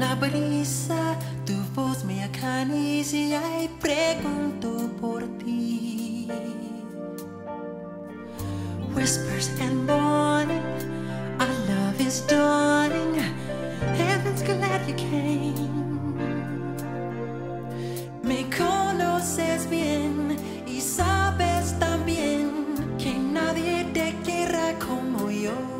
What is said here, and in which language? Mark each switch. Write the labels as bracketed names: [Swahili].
[Spanish] brisa, tu voz me acaricia y pregunto por ti. [English] Whispers and morning, our love is dawning, heaven's glad you came. [Spanish] Me conoces bien y sabes también que nadie te querrá como yo.